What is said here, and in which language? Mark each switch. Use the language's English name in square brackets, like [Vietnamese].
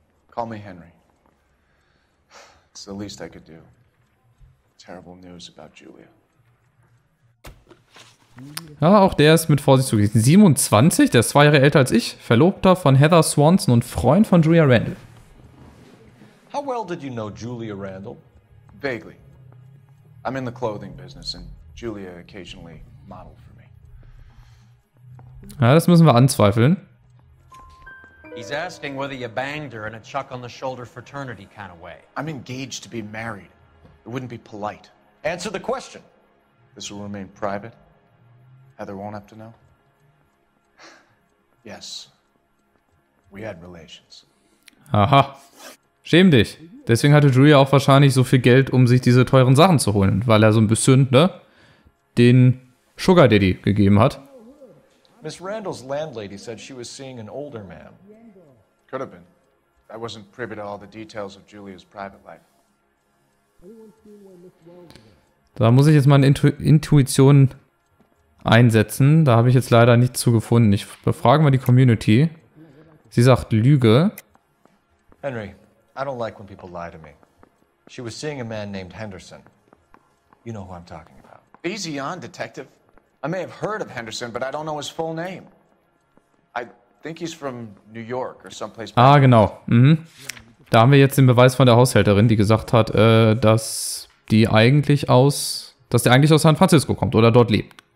[English] Call me Henry. It's the least I could do. Terrible news about Julia. [German] Ja, auch der ist mit Vorsicht zu genießen. 27, der ist 2 Jahre älter als ich, Verlobter von Heather Swanson und Freund von Julia Randall. [English] How well did you know Julia Randall? Vaguely. I'm in the clothing business and Julia occasionally modeled for me. [German] Ja, das müssen wir anzweifeln. [English] He's asking whether you banged her in a chuck on the shoulder fraternity kind of way. I'm engaged to be married. It wouldn't be polite. Answer the question. This will remain private. Heather won't have to know. Yes. We had relations. [German] Aha. Schäm dich. Deswegen hatte Julia auch wahrscheinlich so viel Geld, um sich diese teuren Sachen zu holen, weil er so ein bisschen, ne, den Sugar Daddy gegeben hat. [English] Miss Randall's landlady said she was seeing an older man. Could have been. I wasn't privy to all the details of Julia's private life. [German] Da muss ich jetzt mal eine Intuition einsetzen. Da habe ich jetzt leider nichts zu gefunden. Ich befrage mal die Community. Sie sagt Lüge. [English] Henry, I don't like when people lie to me. She was seeing a man named Henderson. You know who I'm talking about. Easy on, Detective. I may have heard of Henderson, but I don't know his full name. I think he's from New York or someplace. [German] Ah, genau. Mhm. Da haben wir jetzt den Beweis von der Haushälterin, die gesagt hat, dass der eigentlich aus San Francisco kommt oder dort lebt.